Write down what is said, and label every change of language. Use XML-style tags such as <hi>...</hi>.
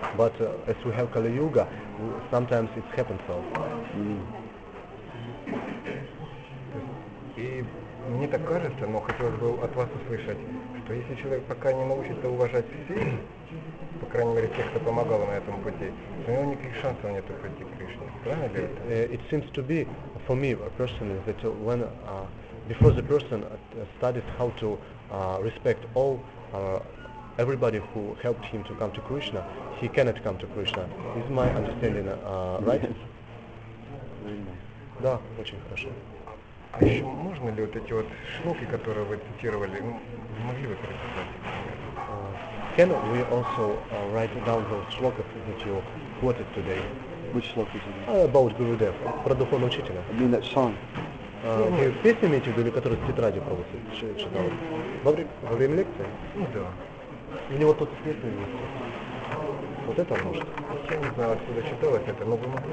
<en>But as we have kali-yuga, sometimes it happens so.</en> <ru>И мне так кажется, но хотелось бы от вас услышать, что если человек пока не научится уважать себя, по крайней мере тех, кто помогал на этом пути, то у него никаких шансов нет прийти к Кришне. Правильно ли это?</ru> <en>It seems to be for me personally that when before the person studies how to respect all everybody who helped him to come to Krishna, he cannot come to Krishna. Is my understanding right?</en> <ru>Да, очень хорошо. А еще можно ли вот эти вот шлоки, которые вы цитировали, могли бы перечислить?</ru> <en>Can we also write down those shlokas that you quoted today? Which shlokas? About Gurudev,</en> <ru>про духовного учителя.</ru> <en>I mean that song.</en> <ru>Вы песни имеете в виду, которые в тетради просто читал? Во время лекции? Ну да. Или вот тут с песнями вместе? Вот это может? Я не знаю, откуда читалось это, но вы могли.</ru>